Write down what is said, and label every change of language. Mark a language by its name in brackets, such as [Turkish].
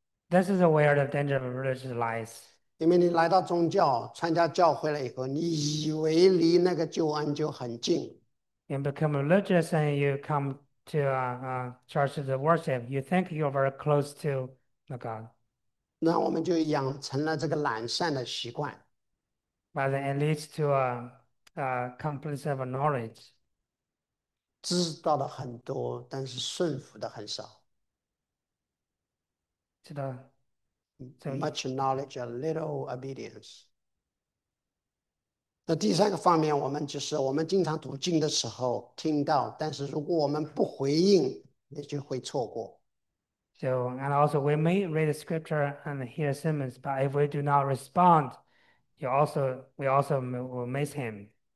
[English] This is where the danger of religion lies. [Chinese] 因为你来到宗教，参加教会了以后，你以为离那个救恩就很近。 [English] You become religious and you come to church to worship. You think you're very close to the God. [Chinese] 那我们就养成了这个懒散的习惯。 [English] But then it leads to a comprehensive knowledge. [Chinese] 知道的很多，但是顺服的很少。 [English] Much knowledge, a little obedience。 [Chinese] 那第三个方面，我们就是我们经常读经的时候听到，但是如果我们不回应，那就会错过。 [English] And also we may read the scripture and hear sermons, but if we do not respond, we also will miss him.